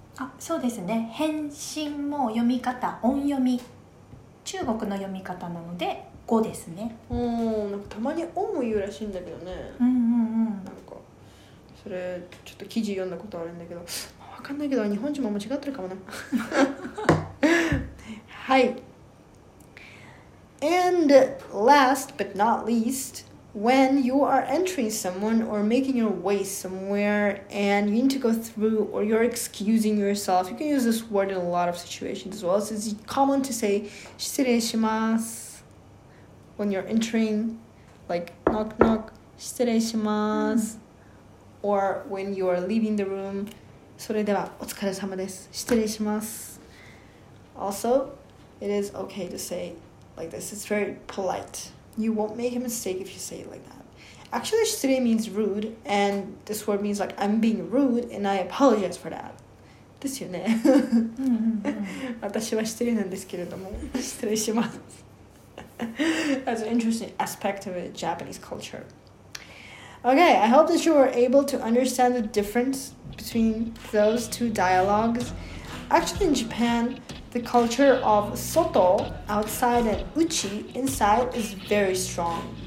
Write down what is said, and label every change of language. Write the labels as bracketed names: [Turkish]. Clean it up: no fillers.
[Japanese] あ、そうですね。返信も読み方、音読み。中国の読み方なので、語ですね。うん、なんかたまに音も言うらしいんだけどね。うんうんうん。なんか、それ、ちょっと記事読んだことあるんだけど、わかんないけど、日本人も間違ってるかもな。はい。 [English] And last but not least,When you are entering someone or making your way somewhere and you need to go through or you're excusing yourself, you can use this word in a lot of situations as well. So it's common to say, [Japanese] 失礼します. [English] When you're entering, like, knock, knock, [Japanese] 失礼します. [English] Mm. Or when you are leaving the room, [Japanese] それではお疲れ様です. 失礼します. [English] Also, it is okay to say like this. It's very polite. You won't make a mistake if you say it like that. Actually, 失礼 means rude, and this word means like, I'm being rude, and I apologize for that. [Japanese] ですよね。私は失礼なんですけれども、失礼します。 [English] That's an interesting aspect of a Japanese culture. Okay, I hope that you were able to understand the difference between those two dialogues. Actually, in Japan,The culture of soto, outside, and uchi, inside, is very strong.